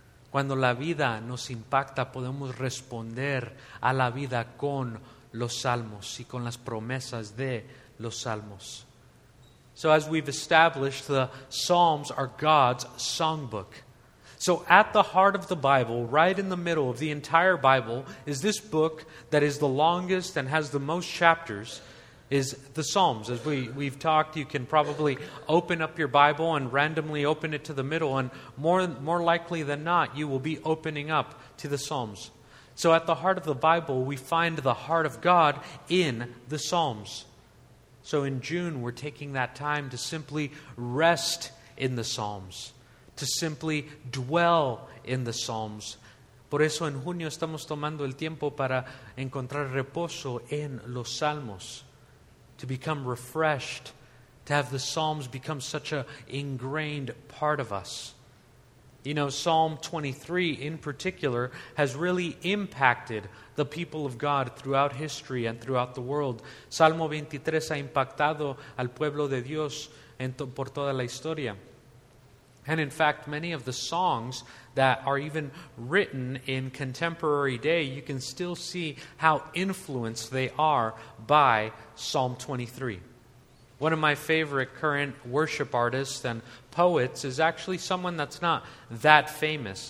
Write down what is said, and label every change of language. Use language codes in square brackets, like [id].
[es] Cuando la vida nos impacta, podemos responder a la vida con los salmos y con las promesas de los salmos. [en] So as we've established, the Psalms are God's songbook. So at the heart of the Bible, right in the middle of the entire Bible, is this book that is the longest and has the most chapters, is the Psalms. As we've talked, you can probably open up your Bible and randomly open it to the middle, and more likely than not, you will be opening up to the Psalms. So at the heart of the Bible, we find the heart of God in the Psalms. So in June, we're taking that time to simply rest in the Psalms, to simply dwell in the Psalms. [es] Por eso en junio estamos tomando el tiempo para encontrar reposo en los Salmos. [en] To become refreshed, to have the Psalms become such an ingrained part of us. You know, Psalm 23 in particular has really impacted the people of God throughout history and throughout the world. [es] Salmo 23 ha impactado al pueblo de Dios por toda la historia. [en] And in fact, many of the songs that are even written in contemporary day, you can still see how influenced they are by Psalm 23. One of my favorite current worship artists and poets is actually someone that's not that famous.